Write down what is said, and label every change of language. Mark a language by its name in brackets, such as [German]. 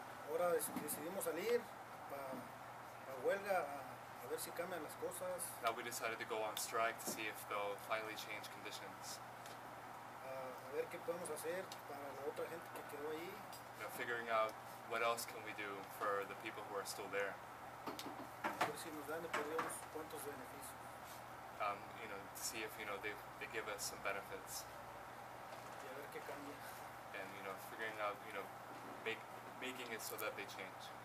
[Spanish] Ahora decidimos salir para huelga a ver si cambian las cosas. [English] Now we decided to go on strike to see if they'll finally change conditions. [Spanish] A ver qué podemos hacer para la otra gente que quedó ahí. [English] Now figuring out what else can we do for the people who are still there. [Spanish] A ver si nos dan de perder unos cuantos beneficios. [English] You know, to see if, you know, they give us some benefits. [Spanish] Y a ver qué cambia. [English] And, you know, figuring out, you know, making it so that they change.